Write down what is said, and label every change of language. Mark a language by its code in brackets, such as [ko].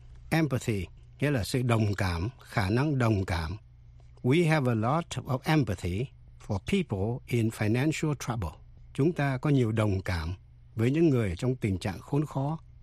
[vi] Empathy nghĩa là sự đồng cảm, khả năng đồng cảm. [en] We have a lot of empathy for people in financial trouble. [vi] Chúng ta có nhiều đồng cảm với những người trong tình trạng khốn khó.